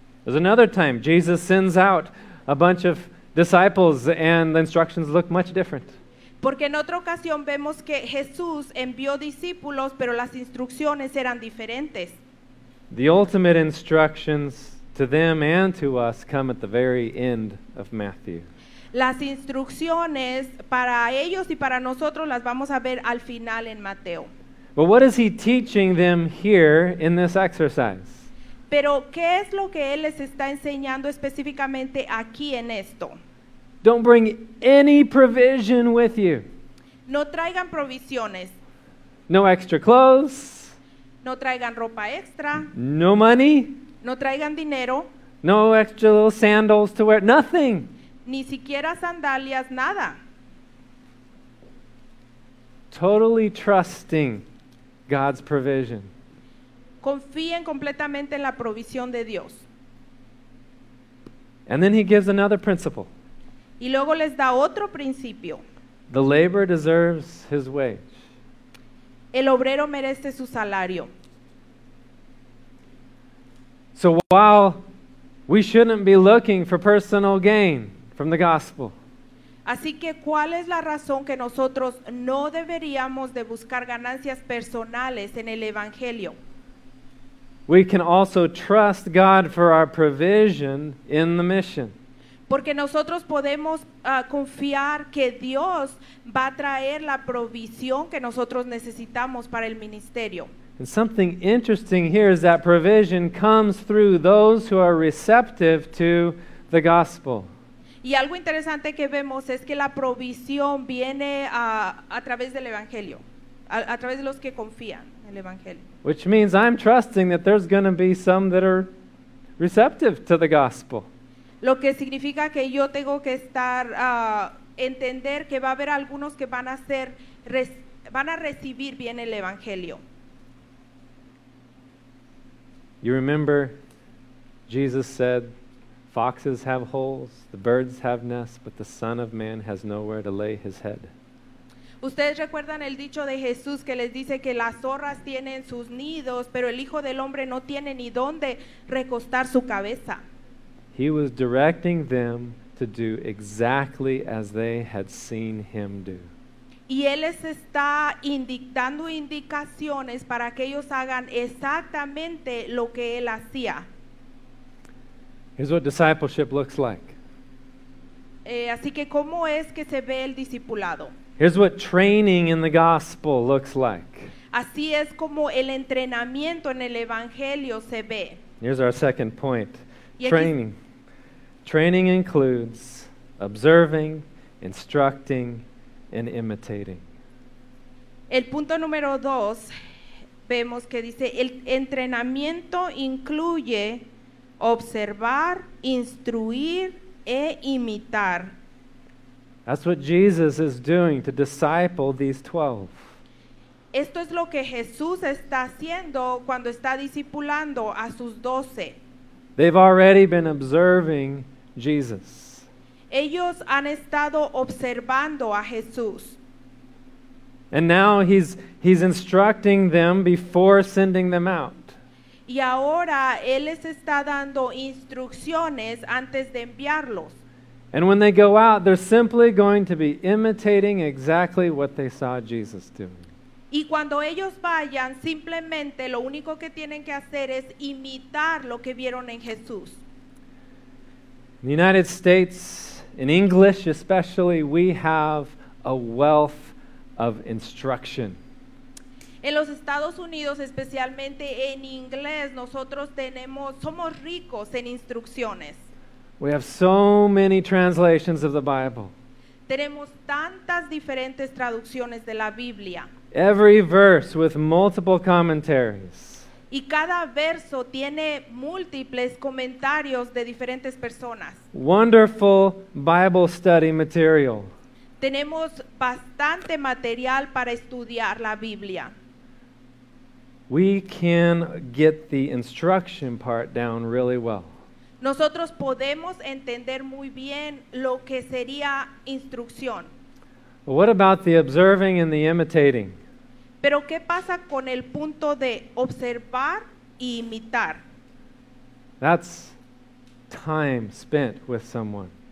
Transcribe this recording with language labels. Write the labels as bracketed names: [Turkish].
[English] There's another time Jesus sends out a bunch of disciples and the instructions look much different. [Spanish] Porque en otra ocasión vemos que Jesús envió discípulos, pero las instrucciones eran diferentes. [English] The ultimate instructions to them and to us come at the very end of Matthew. [Spanish] Las instrucciones para ellos y para nosotros las vamos a ver al final en Mateo. [English] But what is he teaching them here in this exercise? [Spanish] Pero, ¿qué es lo que él les está enseñando específicamente aquí en esto? [English] Don't bring any provision with you. [Spanish] No traigan provisiones. [English] No extra clothes. [Spanish] No traigan ropa extra. [English] No money. [Spanish] No traigan dinero. [English] No extra little sandals to wear. Nothing. [Spanish] Ni siquiera sandalias, nada. [English] Totally trusting God's provision. [Spanish] Confíen completamente en la provisión de Dios. [English] And then he gives another principle. [Spanish] Y luego les da otro principio. [English] The laborer deserves his wage. [Spanish] El obrero merece su salario. [English] So while we shouldn't be looking for personal gain from the gospel. [Spanish] Así que, ¿cuál es la razón que nosotros no deberíamos de buscar ganancias personales en el evangelio? [English] We can also trust God for our provision in the mission. [Spanish] Porque nosotros podemos confiar que Dios va a traer la provisión que nosotros necesitamos para el ministerio. [English] And something interesting here is that provision comes through those who are receptive to the gospel. [Spanish] Y algo interesante que vemos es que la provisión viene a través del evangelio, a través de los que confían en el evangelio. [English] Which means I'm trusting that there's going to be some that are receptive to the gospel. [Spanish] Lo que significa que yo tengo que estar entender que va a haber algunos que van a recibir bien el evangelio. [English] You remember Jesus said, foxes have holes, the birds have nests, but the Son of Man has nowhere to lay his head. [Spanish] ¿Ustedes recuerdan el dicho de Jesús que les dice que las zorras tienen sus nidos, pero el Hijo del Hombre no tiene ni dónde recostar su cabeza? [English] He was directing them to do exactly as they had seen him do. [Spanish] Y él les está dando indicaciones para que ellos hagan exactamente lo que él hacía. [English] Here's what discipleship looks like. [Spanish] Así que, ¿cómo es que se ve el discipulado? [English] Here's what training in the gospel looks like. [Spanish] Así es como el entrenamiento en el evangelio se ve. [English] Here's our second point. Training. Training includes observing, instructing, and imitating. [Spanish] El punto número dos, vemos que dice, el entrenamiento incluye observar, instruir, e imitar. [English] That's what Jesus is doing to disciple these 12. [Spanish] Esto es lo que Jesús está haciendo cuando está discipulando a sus 12. [English] They've already been observing Jesus. [Spanish] Ellos han estado observando a Jesús. [English] And now he's instructing them before sending them out. [Spanish] Y ahora él les está dando instrucciones antes de enviarlos. [English] And when they go out, they're simply going to be imitating exactly what they saw Jesus doing. [Spanish] Y cuando ellos vayan, simplemente lo único que tienen que hacer es imitar lo que vieron en Jesús. [English] In the United States, in English especially, we have a wealth of instruction. [Spanish] En los Estados Unidos, especialmente en inglés, nosotros somos ricos en instrucciones. [English] We have so many translations of the Bible. [Spanish] Tenemos tantas diferentes traducciones de la Biblia. [English] Every verse with multiple commentaries. [Spanish] Y cada verso tiene múltiples comentarios de diferentes personas. [English] Wonderful Bible study material. [Spanish] Tenemos bastante material para estudiar la Biblia. [English] We can get the instruction part down really well. [Spanish] Nosotros podemos entender muy bien lo que sería instrucción. [English] What about the observing and the imitating? [Spanish] Pero ¿qué pasa con el punto de observar e imitar? [English] That's time spent with someone.